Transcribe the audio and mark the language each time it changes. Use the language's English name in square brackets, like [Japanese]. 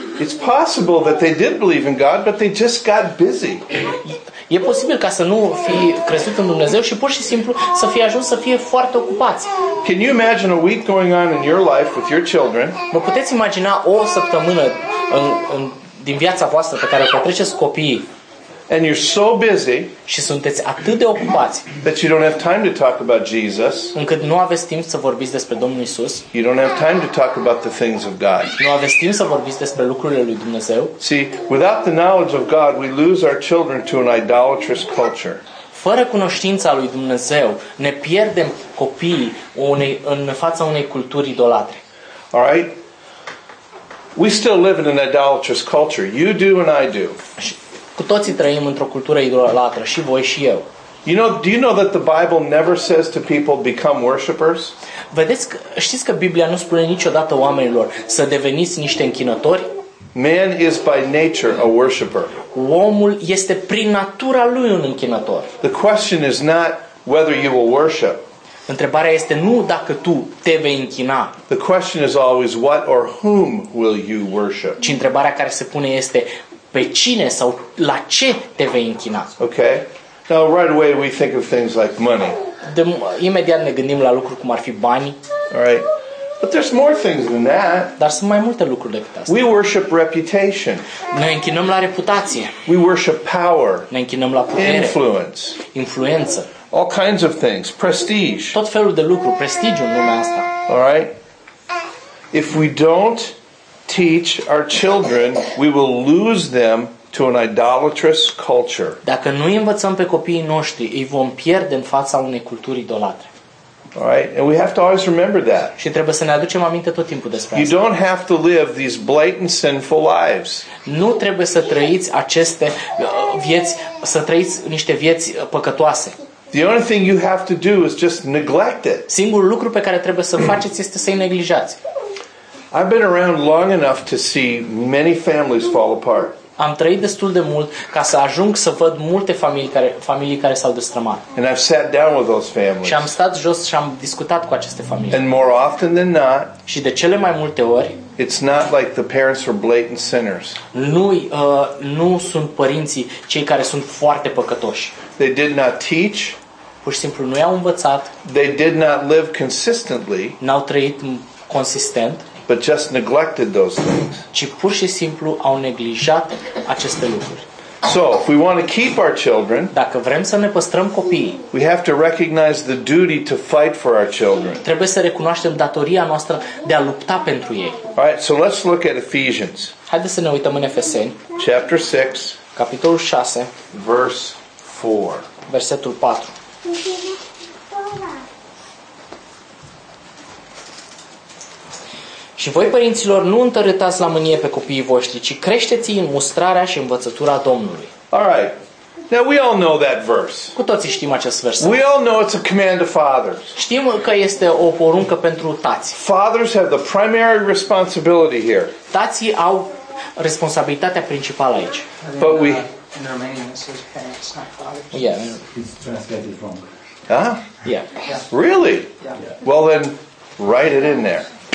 [English] It's possible that they did believe in God, but they just got busy. [Romanian] E posibil ca să nu fi crezut în Dumnezeu și pur și simplu să fie ajuns să fie foarte ocupați. [English] Can you imagine a week going on in your life with your children? [Romanian] Vă puteți imagina o săptămână din viața voastră pe care o petreceți copiii? [English] And you're so busy. [Romanian] Și sunteți atât de ocupați. [English] That you don't have time to talk about Jesus. [Romanian] Încât nu aveți timp să vorbiți despre Domnul Isus. [English] You don't have time to talk about the things of God. [Romanian] Nu aveți timp să vorbiți despre lucrurile lui Dumnezeu. [English] See, without the knowledge of God, we lose our children to an idolatrous culture. [Romanian] Fără cunoștința lui Dumnezeu, ne pierdem copiii în fața unei culturi idolatre. [English] All right? We still live in an idolatrous culture. You do and I do. [Romanian] Cu toții trăim într-o cultură idolatră, și voi și eu. [English] You know, do you know that the Bible never says to people become worshippers? [Romanian] Vedeți, știți că Biblia nu spune niciodată oamenilor să deveniți niște închinători? [English] Man is by nature a worshipper. [Romanian] Omul este prin natura lui un închinător. [English] The question is not whether you will worship. [Romanian] Întrebarea este nu dacă tu te vei închina. [English] The question is always what or whom will you worship? [Romanian] Ci întrebarea care se pune este pe cine sau la ce te vei închina? [English] Okay. Now right away we think of things like money. [Romanian] Imediat ne gândim la lucruri cum ar fi banii. [English] All right. But there's more things than that. [Romanian] Dar sunt mai multe lucruri decât asta. [English] We worship reputation. [Romanian] Ne închinăm la reputație. [English] We worship power. [Romanian] Ne închinăm la putere. [English] Influence. [Romanian] Influență. [English] All kinds of things, prestige. [Romanian] Tot felul de lucruri, prestigiu în lumea asta. [English] All right. If we don't teach our children, we will lose them to an idolatrous culture. [Romanian] Dacă nu învățăm pe copiii noștri, îi vom pierde în fața unei culturi idolatre. [English] All right, and we have to always remember that. [Romanian] Și trebuie să ne aducem aminte tot timpul despre asta. [English] You don't have to live these blatant sinful lives. [Romanian] Nu trebuie să trăiți aceste vieți, să trăiți niște vieți păcătoase. [English] The only thing you have to do is just neglect it. [Romanian] Singurul lucru pe care trebuie să faceți este să-i neglijați. [English] I've been around long enough to see many families fall apart. [Romanian] Am trăit destul de mult ca să ajung să văd multe familii care s-au destrămat. [English] And I've sat down with those families. [Romanian] Și am stat jos și am discutat cu aceste familii. [English] And more often than not, [Romanian] și de cele mai multe ori, [English] it's not like the parents were blatant sinners. [Romanian] Nu sunt părinții cei care sunt foarte păcătoși. [English] They did not teach. [Romanian] Pur și simplu nu i-au învățat. [English] They did not live consistently. [Romanian] N-au trăit consistent. [English] But just neglected those things. [Romanian] Ci pur și simplu au neglijat aceste lucruri. [English] So, if we want to keep our children, [Romanian] dacă vrem să ne păstrăm copiii, [English] we have to recognize the duty to fight for our children. [Romanian] Trebuie să recunoaștem datoria noastră de a lupta pentru ei. [English] All right, so let's look at Ephesians. [Romanian] Haideți să ne uităm în Efeseni. [English] Chapter 6, [Romanian] capitolul 6, [English] verse 4. [Romanian] Versetul 4. Și voi, părinților, nu întărâtați la mânie pe copiii voștri, ci creșteți-i în mustrarea și învățătura Domnului. [English] All right. Now we all know that verse. [Romanian] Cu toții știm acest verset. [English] We all know it's a command to fathers. [Romanian] Știm că este o poruncă pentru tați. [English] Fathers have the primary responsibility here. [Romanian] Tații au responsabilitatea principală aici. [English] But we... In Romanian it says parents, not fathers. Yeah. It's translated wrong. Huh? Yeah. Really? Yeah. Well then, write it in there.